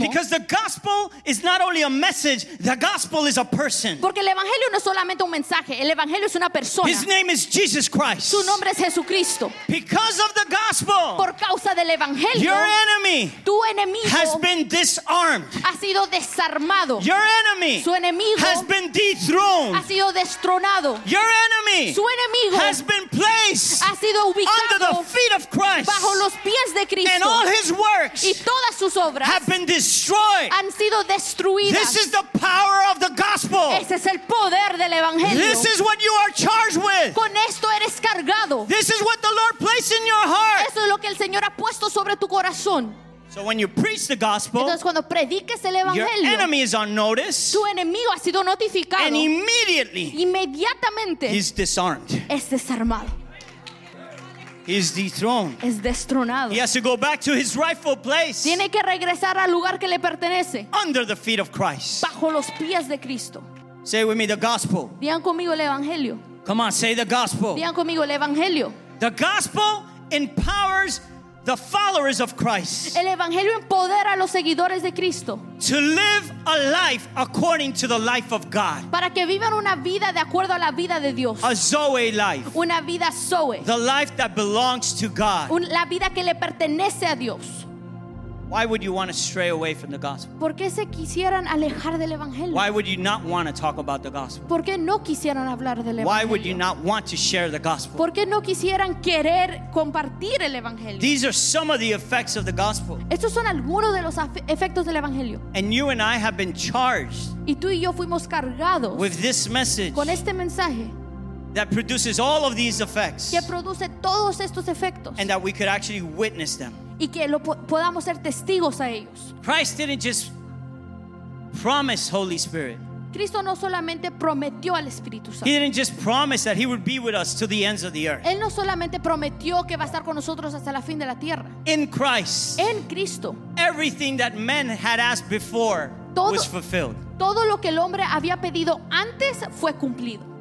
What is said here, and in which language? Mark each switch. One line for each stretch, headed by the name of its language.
English: because the gospel is not only a message, the gospel is a person,
Spanish: porque el evangelio no es solamente un mensaje, el evangelio es una persona.
English: His name is Jesus Christ,
Spanish: su nombre es Jesucristo.
English: Because of the gospel,
Spanish: por causa del evangelio,
English: your enemy,
Spanish: tu enemigo,
English: has been disarmed,
Spanish: ha sido desarmado.
English: Your enemy,
Spanish: su enemigo,
English: has been dethroned,
Spanish: ha sido destronado.
English: Your enemy,
Spanish: su enemigo,
English: has been placed,
Spanish: ha sido ubicado,
English: under the feet of Christ,
Spanish: bajo los pies de Cristo,
English: and all his works,
Spanish: y todas sus obras,
English: have been destroyed,
Spanish: han sido destruidas.
English: This is the power of the gospel.
Spanish: Ese es el poder del evangelio.
English: This is what you are charged with.
Spanish: Con esto eres cargado.
English: This is what the Lord placed in your heart.
Spanish: Eso es lo que el Señor ha puesto sobre tu corazón.
English: So when you preach the gospel,
Spanish: entonces cuando prediques el evangelio,
English: your enemy is on notice,
Spanish: tu enemigo ha sido notificado,
English: and immediately,
Spanish: inmediatamente,
English: he's disarmed,
Spanish: es desarmado,
English: he's dethroned,
Spanish: es destronado,
English: he has to go back to his rightful place,
Spanish: tiene que regresar al lugar que le pertenece,
English: under the feet of Christ,
Spanish: bajo los pies de Cristo.
English: Say with me the gospel.
Spanish: Digan conmigo el evangelio.
English: Come on, say the gospel.
Spanish: Digan conmigo el evangelio.
English: The gospel empowers the followers of Christ,
Spanish: el evangelio empodera a los seguidores de Cristo,
English: to live a life according to the life of God,
Spanish: para que vivan una vida de acuerdo a la vida de Dios,
English: a Zoe life,
Spanish: una vida Zoe,
English: the life that belongs to God,
Spanish: la vida que le pertenece a Dios.
English: Why would you want to stray away from the gospel?
Spanish: ¿Por qué se quisieran alejar del evangelio?
English: Why would you not want to talk about the gospel?
Spanish: ¿Por qué no quisieran hablar del evangelio?
English: Why would you not want to share the gospel?
Spanish: ¿Por qué no quisieran querer compartir el evangelio?
English: These are some of the effects of the gospel.
Spanish: Estos son algunos de los efectos del evangelio.
English: And you and I have been charged,
Spanish: y tú y yo fuimos cargados,
English: with this message,
Spanish: con este mensaje,
English: that produces all of these effects,
Spanish: que produce todos estos efectos,
English: and that we could actually witness them,
Spanish: y que lo podamos ser testigos a ellos.
English: Christ didn't just promise Holy Spirit.
Spanish: Cristo no solamente prometió al Espíritu Santo.
English: He didn't just promise that he would be with us to the ends of the earth.
Spanish: Él no solamente prometió que va a estar con nosotros hasta la fin de la tierra.
English: In Christ,
Spanish: en Cristo,
English: everything that men had asked before was fulfilled.
Spanish: Todo lo que el hombre había pedido antes fue cumplido.